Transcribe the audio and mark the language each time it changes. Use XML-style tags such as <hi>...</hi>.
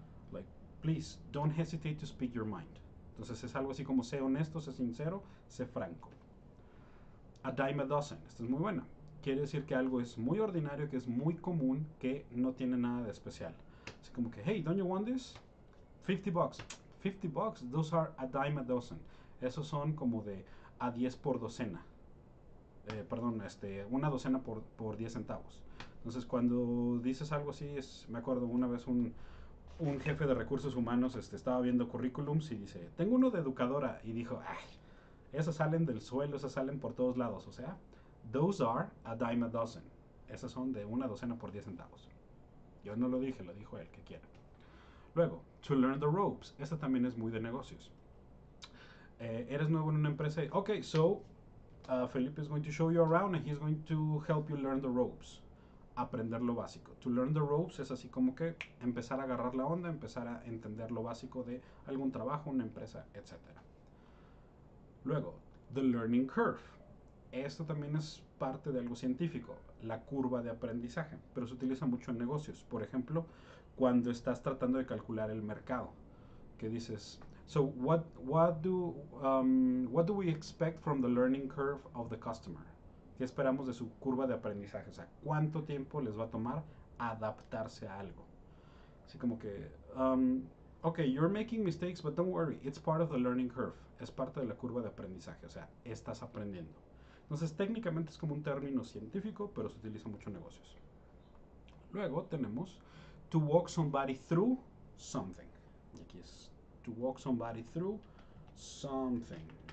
<en>Like, please, don't hesitate to speak your mind.</en> <es>Entonces es algo así como, sé honesto, sé sincero, sé franco.</es> <en>A dime a dozen.</en> <es>Esta es muy buena. Quiere decir que algo es muy ordinario, que es muy común, que no tiene nada de especial. Así como que,</es> <en>hey, don't you want this? 50 bucks. 50 bucks, those are a dime a dozen.</en> <es>Esos son como de a 10 por docena. Perdón, una docena por 10 centavos. Entonces, cuando dices algo así, me acuerdo una vez un jefe de recursos humanos estaba viendo currículums y dice, tengo uno de educadora. Y dijo, ay, esas salen del suelo, esas salen por todos lados. O sea,</es> <en>those are a dime a dozen.</en> <es>Esas son de una docena por 10 centavos. Yo no lo dije, lo dijo él, que quiera. Luego,</es> <en>to learn the ropes.</en> <es>Esta también es muy de negocios. Eres nuevo en una empresa.</es> <en>Ok, so Felipe is going to show you around and he's going to help you learn the ropes.</en> <es>Aprender lo básico.</es> <en>To learn the ropes</en> <es>es así como que empezar a agarrar la onda, empezar a entender lo básico de algún trabajo, una empresa, etc. Luego,</es> <en>the learning curve.</en> <es>Esto también es parte de algo científico, la curva de aprendizaje, pero se utiliza mucho en negocios. Por ejemplo, cuando estás tratando de calcular el mercado, que dices,</es> <en>so what do we expect from the learning curve of the customer?</en> <es>¿Qué esperamos de su curva de aprendizaje? O sea, ¿cuánto tiempo les va a tomar adaptarse a algo? Así como que,</es> <en>ok, you're making mistakes, but don't worry, it's part of the learning curve.</en> <es>Es parte de la curva de aprendizaje, o sea, estás aprendiendo. Entonces, técnicamente es como un término científico, pero se utiliza mucho en negocios. Luego tenemos</es> <en>to walk somebody through something.</en> <es>Y aquí es</es> <en>to walk somebody through something.</en>